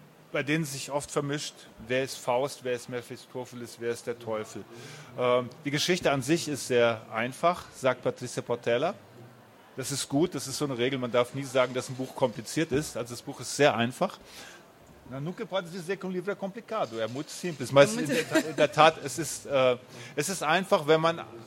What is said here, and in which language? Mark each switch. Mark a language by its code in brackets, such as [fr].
[de] Bei denen sich oft vermischt, wer ist Faust, wer ist Mephistopheles, wer ist der Teufel. Die Geschichte an sich ist sehr einfach, sagt Patricia Portela. Das ist gut, das ist so eine Regel, man darf nie sagen, dass ein Buch kompliziert ist. Also das Buch ist sehr einfach. [pt] Man nunca pode dizer que um livro é complicado, é muito simples. [de] Mas in der Tat, es ist einfach, wenn man...